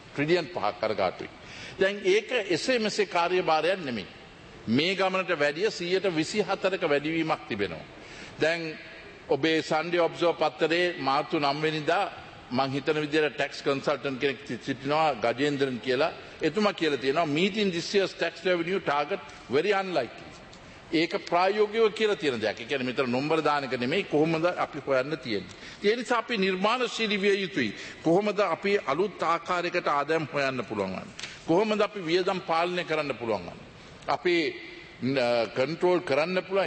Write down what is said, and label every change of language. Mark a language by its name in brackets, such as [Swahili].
[Sinhala] Trillion 5ක් අරගාටුයි. දැන් ඒක එසේ මෙසේ කාර්යභාරයක් නෙමෙයි. මේ ගමනට වැඩිය 124ක වැඩිවීමක් තිබෙනවා. දැන් ඔබේ Sunday Observer පත්‍රයේ මාර්තු 9 වෙනිදා මං හිතන විදිහට ටැක්ස් කන්සල්ටන්ට් කෙනෙක් සිටිනවා ගජේන්ද්‍රන් කියලා. එතුමා කියලා තියෙනවා [English] meeting this year's tax revenue target very unlikely. [Sinhala] ඒක ප්‍රායෝගිකව කියලා තියෙන දෙයක්. ඒ කියන්නේ මෙතන නම්බර දාන එක නෙමෙයි කොහොමද අපි හොයන්න තියෙන්නේ. ඒ නිසා අපි නිර්මාණශීලී විය යුතුයි. කොහොමද අපි අලුත් ආකාරයකට ආදායම් හොයන්න පුළුවන්. කොහොමද අපි වියදම් පාලනය කරන්න පුළුවන්. අපි කන්ට්‍රෝල් කරන්න පුළුවන්.